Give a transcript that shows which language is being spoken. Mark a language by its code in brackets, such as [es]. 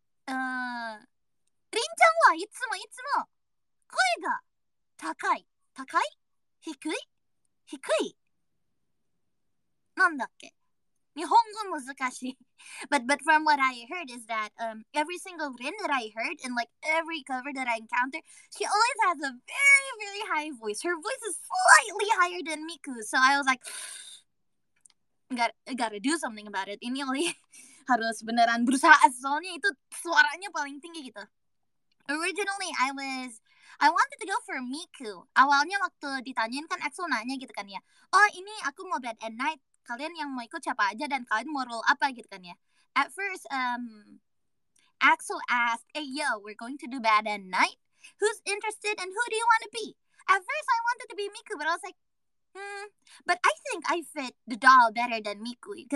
[ja] リンちゃんはいつも声が高い低いなんだっけ日本語難しい [en] but from what I heard is that every single Rin that I heard and like every cover that I encounter she always has a very very high voice. Her voice is slightly higher than Miku, so I was like gotta do something about it. [id] Ini Oli harus beneran berusaha, soalnya itu suaranya paling tinggi gitu. [en] Originally, I wanted to go for Miku. [id] Awalnya waktu ditanyain kan Axel nanya gitu kan ya. Oh, ini aku mau Bad and Night. Kalian yang mau ikut siapa aja dan kalian mau roll apa gitu kan ya. [en] At first, Axel asked, hey yo, we're going to do Bad and Night. Who's interested and who do you want to be? At first, I wanted to be Miku, but I was like, but I think I fit the doll better than Miku.